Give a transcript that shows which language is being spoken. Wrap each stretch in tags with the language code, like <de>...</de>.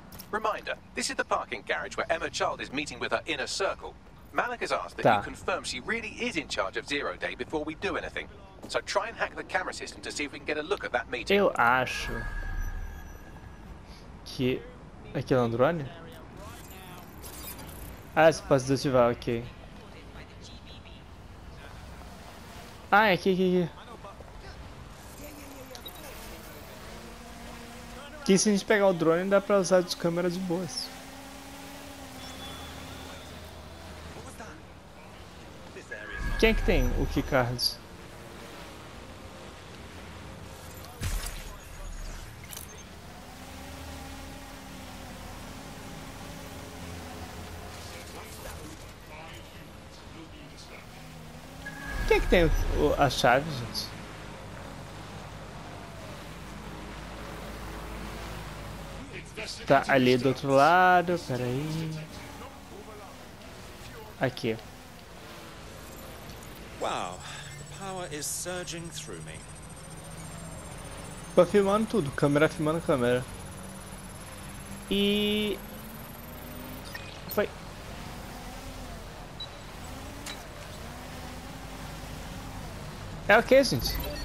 <en>Reminder, this is the parking garage where Emma Child is meeting with her inner circle. Malik has asked that you confirm she really is in charge of Zero Day before we do anything. So try and hack the camera system to see if we can get a look at that meeting.</en> <pt>Eu acho que aquele androne? Ah, se posso desativar, ok. Ah, é aqui, aqui, aqui. Que se a gente pegar o drone, dá pra usar de câmera de boas. Quem é que tem o keycards? Quem é que tem a chave, gente? Tá ali do outro lado, peraí. Aqui.</pt> <en>Wow, the power is surging through me.</en> <pt>Tô filmando tudo, câmera filmando câmera. E foi. É ok, gente.</pt>